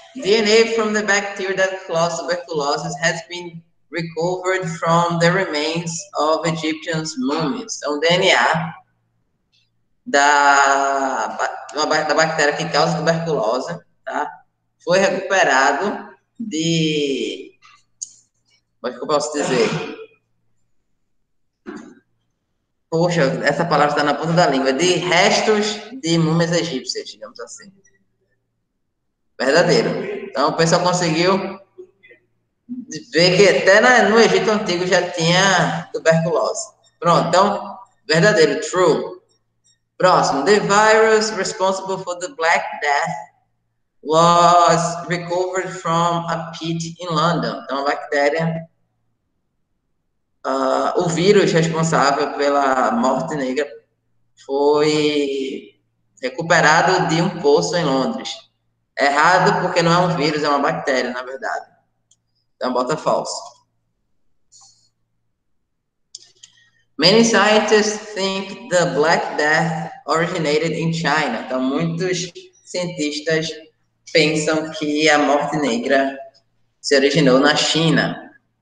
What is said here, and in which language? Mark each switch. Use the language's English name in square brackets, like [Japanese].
[English] DNA from the bacteria that caused tuberculosis has been recovered from the remains of Egyptian mummies. [Portuguese] Então, DNA da bactéria que causa tuberculose, tá? Foi recuperado de... Como é que eu posso dizer? Poxa, essa palavra está na ponta da língua. De restos de múmias egípcias, digamos assim. Verdadeiro. Então, o pessoal conseguiu ver que até no Egito Antigo já tinha tuberculose. Pronto, então, verdadeiro, true. Próximo. [English] The virus responsible for the Black Death was recovered from a pit in London. [Portuguese] Então, a bactéria... o vírus responsável pela morte negra foi recuperado de um poço em Londres. Errado, porque não é um vírus, é uma bactéria, na verdade. Então, bota falso. [English] Many scientists think the Black Death originated in China. [Portuguese] Então, muitos cientistas pensam que a morte negra se originou na China.